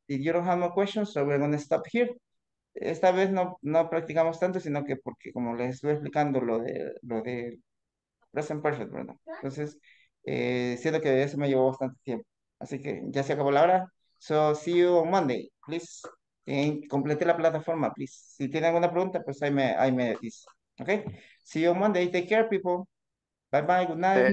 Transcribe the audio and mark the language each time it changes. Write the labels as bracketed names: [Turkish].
[English] If you don't have more questions, so we're gonna stop here. [Spanish] Esta vez no practicamos tanto, sino que porque como les estuve explicando lo de present perfect, ¿verdad? Entonces, siento que eso me llevó bastante tiempo. Así que ya se acabó la hora. [English] So see you on Monday, please. [Spanish] Complete la plataforma, [English] please. [Spanish] Si tienen alguna pregunta, pues ahí me dice. [English] Ok, see you on Monday. Take care, people. Bye bye, good night.